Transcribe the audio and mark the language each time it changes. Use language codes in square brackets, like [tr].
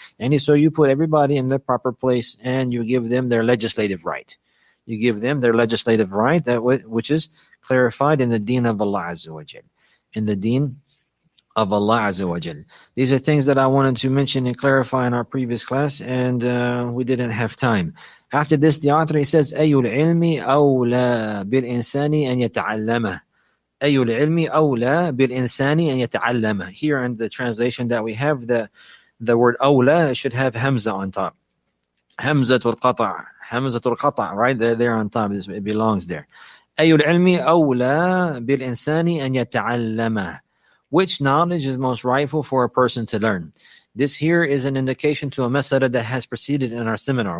[en] And so you put everybody in their proper place, and you give them their legislative right. You give them their legislative right, that which is clarified in the deen of Allah Azza wa Jal. In the deen of Allah Azza wa Jal. These are things that I wanted to mention and clarify in our previous class, and we didn't have time. After this, the author, he says, [ar] أَيُّ الْعِلْمِ أَوْلَى بِالْإِنسَانِ أَنْ يَتَعَلَّمَهُ أَيُّ الْعِلْمِ أَوْلَى بِالْإِنسَانِ أَنْ يَتَعَلَّمَهُ. [en] Here in the translation that we have, the word أَوْلَى should have Hamza on top. Hamzat al-Qata'a. Hamzat al-Qata', right? They're on top. It belongs there. [ar] أَيُّ الْعِلْمِ أَوْلَى بِالْإِنسَانِ أَنْ يَتَعَلَّمَهُ. [en] Which knowledge is most rightful for a person to learn? This here is an indication to a masala that has preceded in our seminar.